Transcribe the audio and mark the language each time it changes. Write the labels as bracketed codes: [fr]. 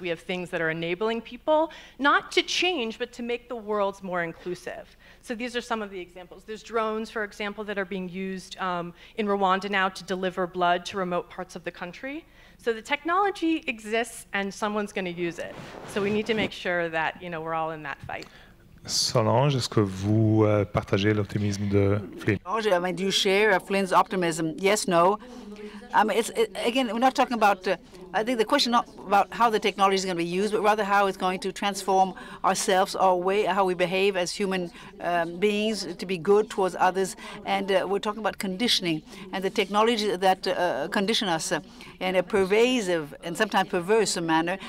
[en] We have things that are enabling people not to change, but to make the world more inclusive. So these are some of the examples. There's drones, for example, that are being used in Rwanda now to deliver blood to remote parts of the country. So the technology exists and someone's going to use it. So we need to make sure that, you know, we're all in that fight. [fr] Solange, est-ce que vous partagez l'optimisme de Flynn? [en] Solange, I mean, do you share Flynn's optimism? Yes, no. I mean, again, we're not talking about, I think the question not about how the technology is going to be used, but rather how it's going to transform ourselves, our way, how we behave as human beings to be good towards others. And we're talking about conditioning and the technology that condition us in a pervasive and sometimes perverse manner.